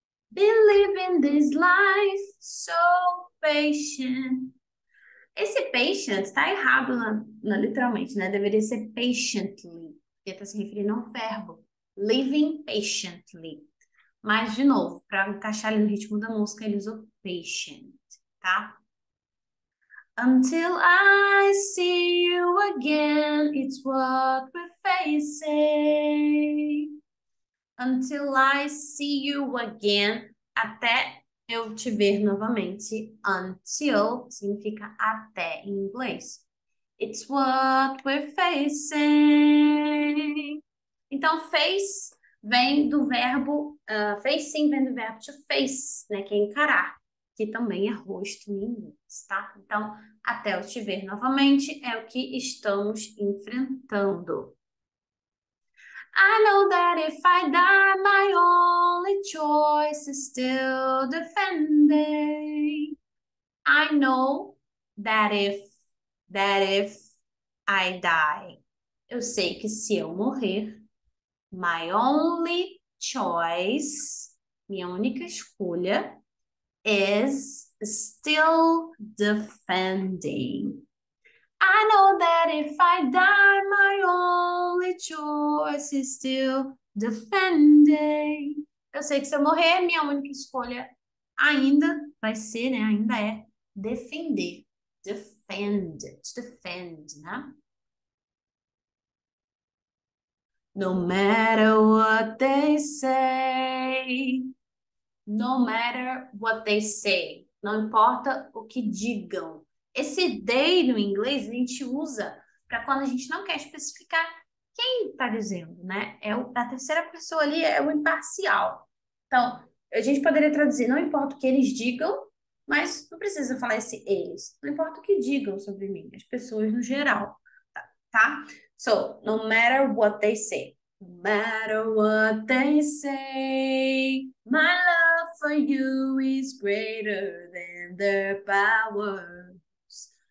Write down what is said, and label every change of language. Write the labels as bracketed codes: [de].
[en] Been living this life so patient. [pt] Esse patient está errado literalmente, né? Deveria ser patiently, porque está se referindo a um verbo. [en] Living patiently. [pt] Mas, de novo, para encaixar ali no ritmo da música, ele usou patient, tá? [en] Until I see you again, it's what we're facing. Until I see you again. [pt] Até eu te ver novamente. Until significa até em inglês. [en] It's what we're facing. [pt] Então, face vem do verbo, facing vem do verbo to face, né? Que é encarar, que também é rosto em inglês, tá? Então, até eu te ver novamente é o que estamos enfrentando. [en] I know that if I die, my only choice is still defending. I know that if I die, [pt] eu sei que se eu morrer, [en] my only choice, [pt] minha única escolha, [en] is still defending. I know that if I die, my only choice is still defending. [pt] Eu sei que se eu morrer, minha única escolha ainda vai ser, né? Ainda é defender. Defend. To defend, né? [en] No matter what they say. No matter what they say. [pt] Não importa o que digam. Esse they no inglês a gente usa para quando a gente não quer especificar quem está dizendo, né? É a terceira pessoa ali, é o imparcial. Então, a gente poderia traduzir, não importa o que eles digam, mas não precisa falar esse eles. Não importa o que digam sobre mim, as pessoas no geral, tá? [en] So, no matter what they say, no matter what they say, my love for you is greater than their powers.